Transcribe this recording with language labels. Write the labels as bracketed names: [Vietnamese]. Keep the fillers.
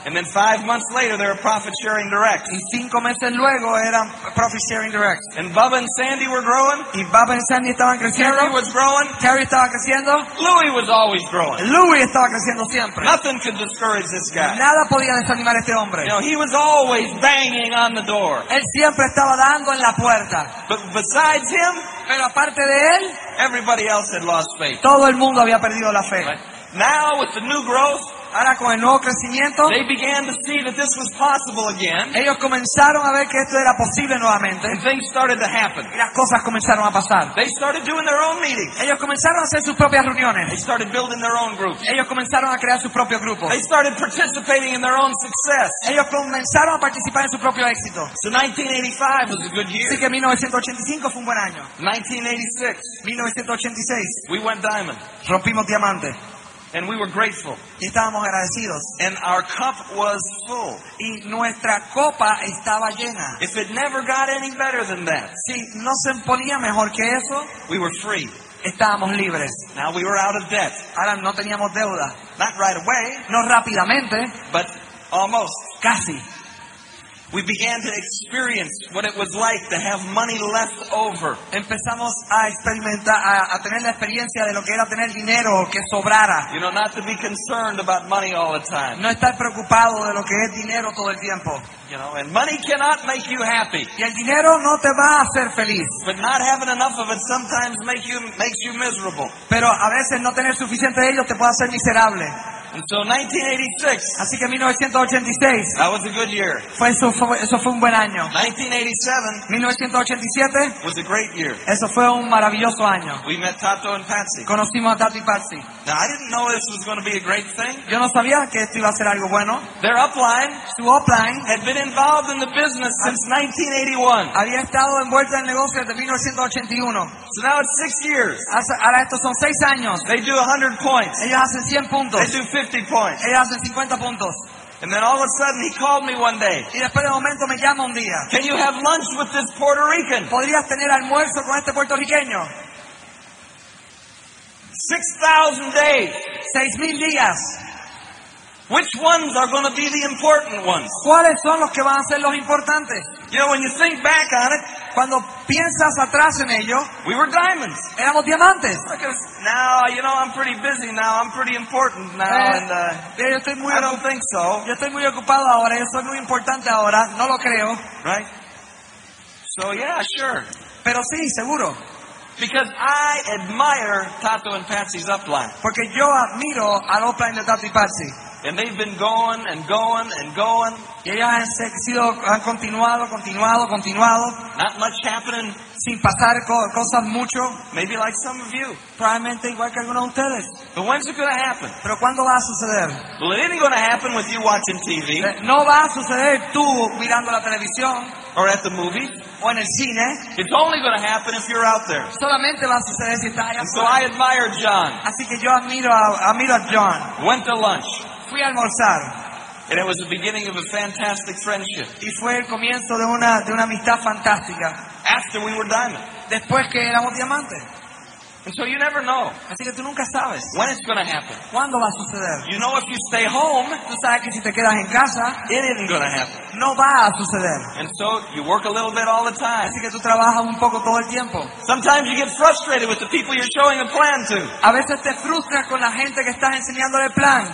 [English] And then five months later, there were profit sharing directs. [Spanish] Y cinco meses luego eran [English] profit sharing directs. And Bubba and Sandy were growing. [Spanish] Y Bubba y Sandy estaban creciendo. [English] Terry was growing. [Spanish] Terry estaba creciendo. [English] Louis was always growing. [Spanish] Louis estaba creciendo siempre. [English] Nothing could discourage this guy. [Spanish] Nada podía desanimar a este hombre. [English] You know, he was always banging on the door. [Spanish] Él siempre estaba dando en la puerta. [English] But besides him, [Spanish] pero aparte de él. [English] Everybody else had lost faith. [Spanish] Todo el mundo había perdido la fe. [English] Right. Now with the new growth, [Spanish] Ahora, [English] they began to see that this was possible again, [Spanish] ellos comenzaron a ver que esto era posible nuevamente [English] and things started to happen. [Spanish] Y las cosas comenzaron a pasar [English] they started doing their own meetings. [Spanish] ellos comenzaron a hacer sus propias reuniones [English] they started building their own groups. [Spanish] ellos comenzaron a crear sus propios grupos [English] they started participating in their own success. [Spanish] ellos comenzaron a participar en su propio éxito [English] so 1985 was a good year. [Spanish] así que 1985 fue un buen año 1986, 1986 [English] we went diamond. [Spanish] rompimos diamantes [English] and we were grateful. [Spanish] Y estábamos agradecidos. [English] And our cup was full. [Spanish] Y nuestra copa estaba llena. [English] If it never got any better than that, [Spanish] si no se ponía mejor que eso, [English] we were free. [Spanish] Estábamos libres. [English] Now we were out of debt. [Spanish] Ahora no teníamos deuda. [English] Not right away. [Spanish] No rápidamente. [English] But almost. [Spanish] Casi. [English] We began to experience what it was like to have money left over. [Spanish] Empezamos a experimentar a, a tener la experiencia de lo que era tener dinero que sobrara. [English] You know, not to be concerned about money all the time. [Spanish] No estar preocupado de lo que es dinero todo el tiempo. [English] You know, and money cannot make you happy. [Spanish] Y el dinero no te va a hacer feliz. [English] But not having enough of it sometimes make you, makes you miserable. [Spanish] Pero a veces no tener suficiente de ello te puede hacer miserable. [English] Until so 1986. That was a good year. 1987 was a great year. [Spanish] Eso fue un maravilloso año. [English] We met Tato and Patsy. [Spanish] Conocimos a Tato y Patsy. [English] Now, I didn't know this was going to be a great thing. [Spanish] Yo no sabía que esto iba a ser algo bueno. [English] Their upline, Su upline had been involved in the business since 1981. [Spanish] Había estado envuelta en negocios desde 1981. [English] So now it's six years. [Spanish] Ahora estos son seis años. [English] They do 100 points. [Spanish] Ellos hacen 100 puntos. [English] They do 50 50 points. [Spanish] Ella hace 50 puntos. [English] And then all of a sudden he called me one day. [Spanish] Y después de momento me llama un día. [English] Can you have lunch with this Puerto Rican? [Spanish] ¿Podrías tener almuerzo con este puertorriqueño? [English] 6000 days. [Spanish] 6000 días. [English] Which ones are going to be the important ones? [Spanish] ¿Cuáles son los que van a ser los importantes? [English] You know, when you think back on it, [Spanish] cuando piensas atrás en ello, [English] we were diamonds. [Spanish] Éramos diamantes. [English] Because now, you know, I'm pretty busy now. I'm pretty important now, and, and uh, I, yeah, I don't think so. [Spanish] Yo estoy muy ocupado ahora. Yo soy muy importante ahora. No lo creo. Right. [English] So yeah, sure. [Spanish] Pero sí, seguro. [English] Because I admire Tato and Patsy's upline. [Spanish] Porque yo admiro al upline de Tato y Patsy. [English] And they've been going and going [Spanish] and going. Y ellos han sido, han continuado, continuado, continuado. [English] Not much happening. [Spanish] Sin pasar cosas mucho. [English] Maybe like some of you. [Spanish] Probablemente igual que algunos de ustedes. [English] But when's it going to happen? [Spanish] Pero cuándo va a suceder? [English] Well, it ain't going to happen with you watching TV. [Spanish] No va a suceder tú mirando la televisión. [English] Or at the movie. [Spanish] O en el cine. [English] It's only going to happen if you're out there. [Spanish] Solamente va a suceder si estás allá. [English] So I admire John. [Spanish] Así que yo admiro a, admiro a John. [English] Went to lunch. [Spanish] fui a almorzar. [English] And it was the beginning of a fantastic friendship. [Spanish] Y fue el comienzo de una, de una amistad fantástica. [English] After we were diamond. [Spanish] Después que éramos diamantes. [English] And so you never know. [Spanish] Así que tú nunca sabes. [English] When it's going to happen. [Spanish] ¿Cuándo va a suceder? [English] You know if you stay home, [Spanish] tú sabes que si te quedas en casa, [English] it isn't going to happen. [Spanish] No va a suceder. [English] And so you work a little bit all the time. [Spanish] Así que tú trabajas un poco todo el tiempo. [English] Sometimes you get frustrated with the people you're showing a plan to. [Spanish] A veces te frustras con la gente que estás enseñándole el plan.